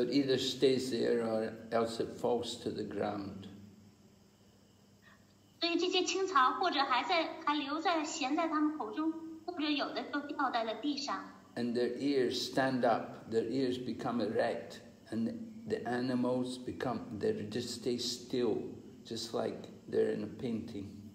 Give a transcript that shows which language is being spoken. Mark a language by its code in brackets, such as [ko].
[en] it either stays there or else it falls to the ground. [zh] 所以这些青草或者还在还留在衔在他们口中，或者有的都掉在了地上。And [en] their ears stand up, their ears become erect, and the animals become they just stay still, just like they're in a painting.